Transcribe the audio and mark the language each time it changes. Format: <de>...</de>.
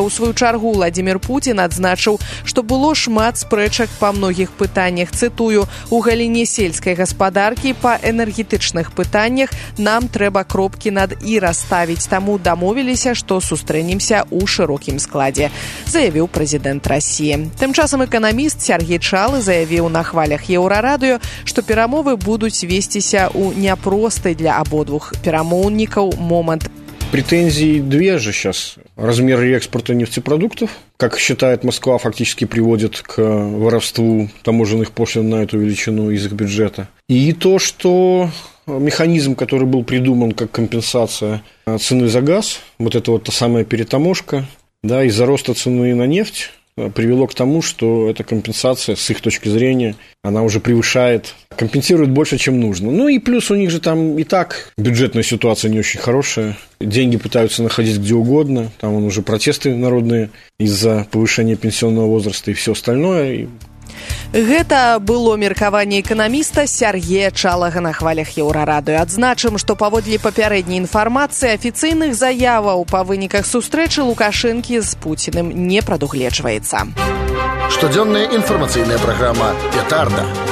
<be>У сваю чаргу Владзімір Пуцін адзначыў, што было шмат спрэчак па многіх пытаннях, цытую: «У галіне сельскай гаспадаркі, па энергетычных пытаннях нам трэба кропкі над і расставіць, таму дамовіліся, што сустрэнемся ў шырокім складзе», заявіў прэзідэнт Расіі. Тым часам эканаміст Сергей Чалы заявіў на хвалях Еўрарадыё, што перамовы будуць весціся ў няпросты для абодвух перамоўнікаў момант.</be> <ru>Претензии две же сейчас. Размер экспорта нефтепродуктов, как считает Москва, фактически приводит к воровству таможенных пошлин на эту величину из их бюджета. И то, что механизм, который был придуман как компенсация цены за газ, вот эта вот та самая перетаможка, да, из-за роста цены на нефть, привело к тому, что эта компенсация, с их точки зрения, она уже превышает, компенсирует больше, чем нужно. Ну и плюс у них же там и так бюджетная ситуация не очень хорошая, деньги пытаются находить где угодно, там уже протесты народные из-за повышения пенсионного возраста и все остальное.</ru> <be>Гэта было меркаванне эканаміста Сергея Чалага на хвалях Еўрарадыё. Адзначым, што паводле папярэдняй інфармацыі, афіцыйных заяваў па выніках сустрэчы Лукашэнкі з Пуціным не прадугледжваецца. Штодзённая інфармацыйная праграма «Петарда».</be>